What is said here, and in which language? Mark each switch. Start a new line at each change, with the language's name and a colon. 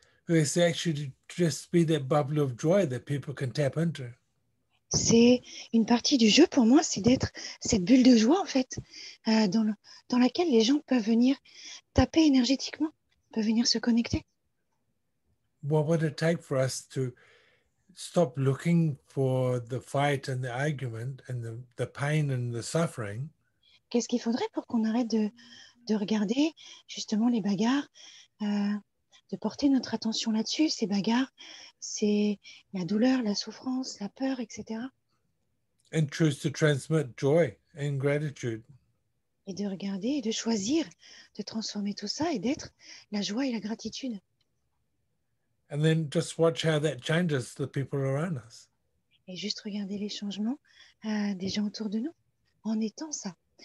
English: It's actually just be that bubble of joy that people can tap into.
French: C'est une partie du jeu pour moi, c'est d'être cette bulle de joie en fait, dans laquelle les gens peuvent venir taper énergétiquement, peuvent venir se connecter.
English: What would it take for us to stop looking for the fight and the argument and the pain and the suffering.
French: Qu'est-ce qu'il faudrait pour qu'on arrête de regarder justement les bagarres, de porter notre attention là-dessus, ces bagarres, c'est la douleur, la souffrance, la peur, etc.
English: And choose to transmit joy and gratitude.
French: Et de regarder et de choisir de transformer tout ça et d'être la joie et la gratitude.
English: And then just watch how that changes the people around us.
French: Et juste regarder les changements des gens autour de nous en étant ça.